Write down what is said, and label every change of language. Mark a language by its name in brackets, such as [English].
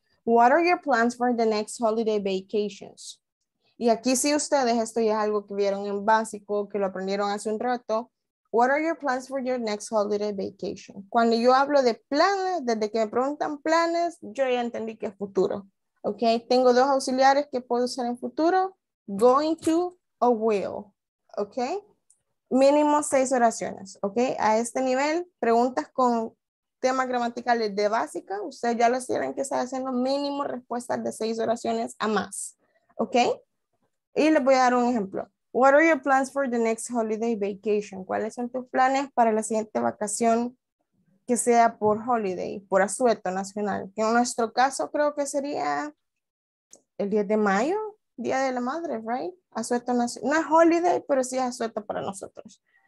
[English] What are your plans for the next holiday vacations? [Spanish] Y aquí sí ustedes, esto ya es algo que vieron en básico, que lo aprendieron hace un rato. [English] What are your plans for your next holiday vacation? [Spanish] Cuando yo hablo de planes, desde que me preguntan planes, yo ya entendí que es futuro. Okay, tengo dos auxiliares que puedo usar en futuro. Going to o will. Okay, mínimo 6 oraciones. Okay, a este nivel, preguntas con temas gramaticales de básica, ustedes ya los tienen que estar haciendo mínimo respuestas de 6 oraciones a más. Okay, y les voy a dar un ejemplo. [English] What are your plans for the next holiday vacation? [Spanish] ¿Cuáles son tus planes para la siguiente vacación que sea por holiday, por asueto nacional? Que en nuestro caso creo que sería el 10 de mayo, Día de la Madre, right? Asueto nacional. No es holiday, pero sí es asueto para nosotros.